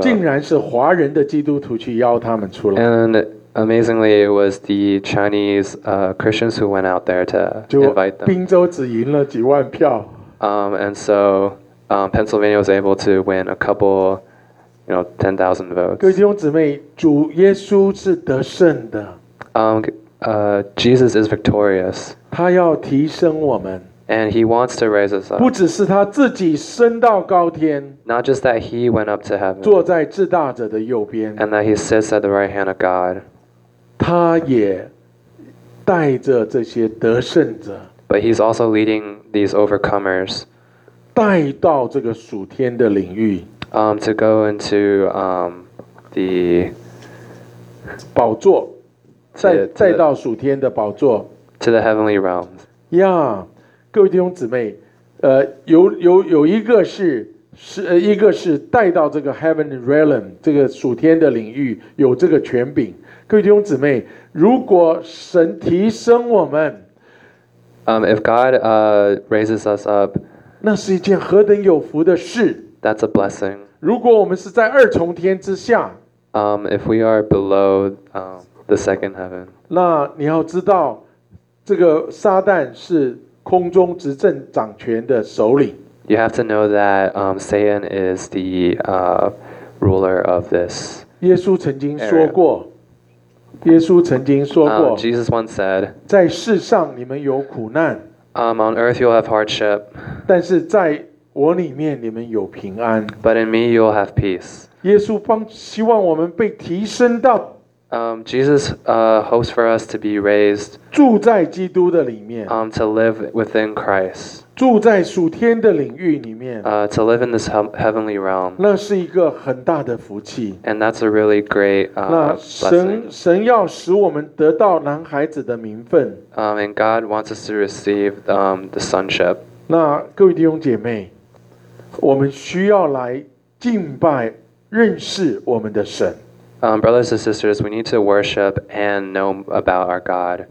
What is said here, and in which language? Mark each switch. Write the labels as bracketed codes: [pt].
[zh] 竟然是华人的基督徒去邀他们出来。 [en] And amazingly, it was the Chinese Christians who went out there to invite them. [zh] 宾州只赢了几万票。 [en] And so Pennsylvania was able to win a couple, you know, 10,000 votes. [zh] 各位弟兄姊妹，主耶稣是得胜的。 [en] Jesus is victorious. [zh] 他要提升我们。 [en] And he wants to raise us up. [zh] 不只是他自己升到高天。 [en] Not just that he went up to heaven. [zh] 坐在至大者的右边。 [en] And that he sits at the right hand of God. [zh] 他也带着这些得胜者。 [en] But he's also leading these overcomers. [zh] 带到这个属天的领域。 [en] To go into the [zh] 宝座，再到属天的宝座。 [en] To the heavenly realms. [zh] Yeah. 各位弟兄姊妹，有一个一个是带到这个 heaven realm 这个属天的领域有这个权柄。各位弟兄姊妹，如果神提升我们 [en] ，if God raises us up， [zh] 那是一件何等有福的事。 [en] That's a blessing。 [zh] 如果我们是在二重天之下 [en] ，if we are below the second heaven， [zh] 那你要知道，这个撒旦是。空中执政掌权的首领。 [en] You have to know that Satan is the ruler of this. [zh] 耶稣曾经说过。 [en] Jesus once said. [zh] 在世上你们有苦难。 [en] On earth you'll have hardship. [zh] 但是在我里面你们有平安。 [en] But in me you'll have peace. [zh] 耶稣希望我们被提升到。 [en] Jesus hopes for us to be raised [zh] 住在基督的里面 [en] to live within Christ [zh] 住在属天的领域里面 [en] to live in this heavenly realm [zh] 那是一个很大的福气 [en] and that's a really great [zh] 那神要使我们得到男孩子的名分 [en] and God wants us to receive the sonship [zh] 那各位弟兄姐妹我们需要来敬拜认识我们的神 [en] Brothers and sisters, we need to worship and know about our God.